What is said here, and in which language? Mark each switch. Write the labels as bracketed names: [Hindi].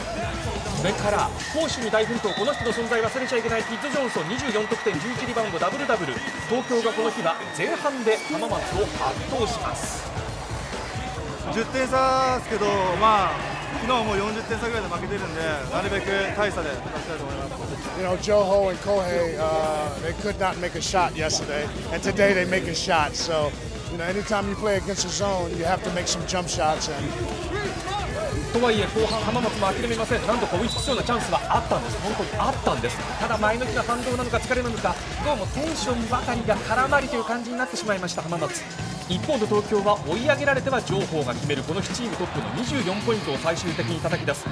[Japanese] それから攻守に大奮闘、この人の存在忘れちゃいけないキッド・ジョンソン、24得点11リバウンドダブルダブル。東京がこの日は前半で浜松を圧倒します。 10点差ですけど、まあ昨日はもう40点差ぐらいで負けてるんで、なるべく大差で勝ちたいと思います。 [English] You know, Joho and Kohei, they could not make a shot yesterday, and today they make a shot. So, you know, anytime you play against a zone, you have to make some jump shots. [Japanese] とはいえ後半浜松も諦めません。なんとか追いつくようなチャンスはあったんです。本当にあったんです。ただ前の日の反動なのか疲れなのか、どうもテンションばかりが空回りという感じになってしまいました浜松。一方で東京は追い上げられては情報が決める。この日チームトップの24ポイントを最終的に叩き出す。